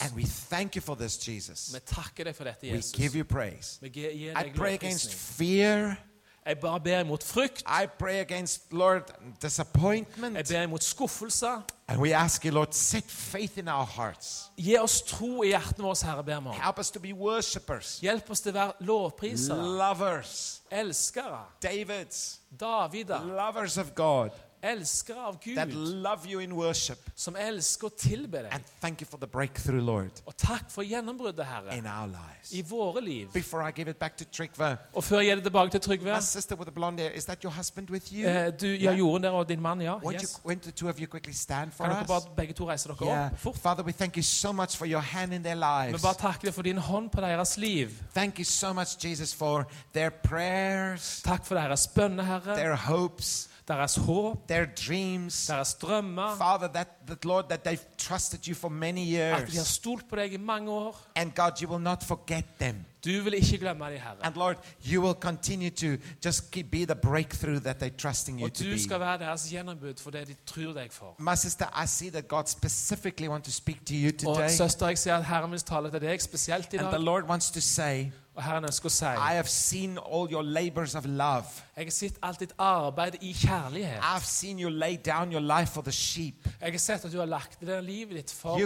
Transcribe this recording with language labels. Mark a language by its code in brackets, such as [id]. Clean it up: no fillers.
[en] And we thank you for this, Jesus. [no] Vi takker deg for dette, Jesus. [en] We give you praise. [no] Vi gir deg lovprisning. [en] I pray against fear. [no] Jeg bare ber imot frykt. [en] I pray against, Lord, disappointment. [no] Jeg ber imot skuffelse. [en] And we ask you, Lord, set faith in our hearts. [no] Gi oss tro I hjertene våre, Herre, ber meg. [en] Help us to be worshippers. [no] Hjelp oss til å være lovprisere. [en] Lovers. [no] Elskere. [en] Davids. [no] Davider. [en] Lovers of God. [no] Elskere av Gud. [en] That love you in worship. [no] Som elsker og tilber deg. [en] And thank you for the breakthrough, Lord. [no] Og takk for gjennombruddet, Herre. [en] In our lives. [no] I våre liv. [en] Before I give it back to Trygve. [no] Og før jeg gir det tilbake til Trygve. [en] My sister with the blonde hair, is that your husband with you? [no] Du, ja, yeah. Jorden der og din mann, ja. Won't [en] you, won't the two of you quickly stand for [no] kan [en] us? [no] Kan dere bare begge to reise dere [en] yeah. [no] opp? Fort. [en] Father, we thank you so much for your hand in their lives. [no] Vi bare takker for din hånd på deres liv. [en] Thank you so much, Jesus, for their prayers. [no] Takk for deres bønne, Herre. [en] Their hopes. [no] Deres håp, [en] their dreams, [no] deres drømmer, [en] Father, that Lord, that they've trusted you for many years, [no] at de har stolt på deg I mange år, [en] and God, you will not forget them. [no] Du vil ikke glemme dem, Herre. [en] And Lord, you will continue to just keep be the breakthrough that they're trusting you to be. [no] Og du skal være deres gjennombud for det de tror deg for. [en] My sister, I see that God specifically wants to speak to you today. [no] Og søster, jeg ser at Herren vil tale til deg spesielt I dag. [en] And the Lord wants to say, I have seen all your labors of love. [no] Jeg har sett alt ditt arbeid I kjærlighet. [en] I've seen you lay down your life for the sheep. [no] Jeg har sett at du har lagt det livet ditt for